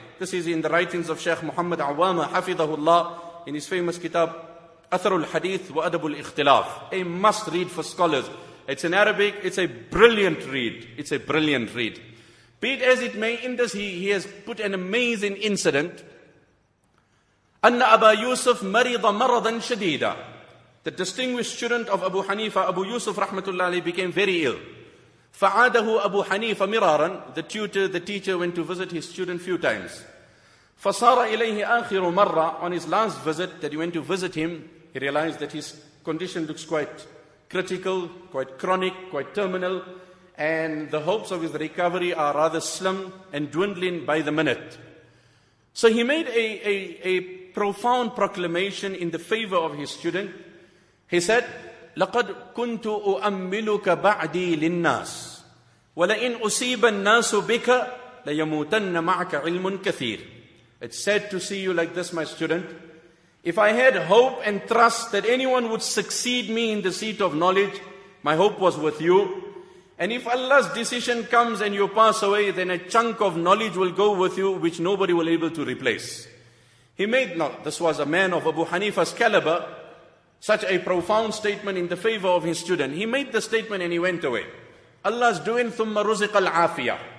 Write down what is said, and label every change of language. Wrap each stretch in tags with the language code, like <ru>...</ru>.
<en>This is in the writings of Sheikh Muhammad Awama hafidhahullah in his famous kitab Atharul Hadith wa Adabul Ikhtilaf. A must read for scholars. It's in Arabic. It's a brilliant read. It's a brilliant read. Be it as it may, in this he has put an amazing incident.</en> <ar>أن أبا يوسف مريض مرضا شديدا.</ar> <en>The distinguished student of Abu Hanifa, Abu Yusuf رحمة الله عليه, became very ill.</en> <ar>فَعَادَهُ أَبُو حَنِيفَ مِرَارًا.</ar> <en>The tutor, the teacher went to visit his student few times.</en> <ar>فَصَارَ إِلَيْهِ آخِرُ مَرَّةً.</ar> <en>On his last visit, that he went to visit him, he realized that his condition looks quite critical, quite chronic, quite terminal, and the hopes of his recovery are rather slim and dwindling by the minute. So he made a profound proclamation in the favor of his student. He said,</en> <ar>لَقَدْ كُنْتُ أُؤَمِّلُكَ بَعْدِي لِلنَّاسِ وَلَئِنْ أُصِيبَ النَّاسُ بِكَ لَيَمُوتَنَّ مَعْكَ عِلْمٌ كَثِيرٌ.</ar> <en>It's sad to see you like this, my student. If I had hope and trust that anyone would succeed me in the seat of knowledge, my hope was with you. And if Allah's decision comes and you pass away, then a chunk of knowledge will go with you, which nobody will be able to replace. This was a man of Abu Hanifa's caliber, such a profound statement in the favor of his student. He made the statement and he went away. Allah's doing,</en> <ar>ثُمَّ رُزِقَ الْعَافِيَةِ.</ar>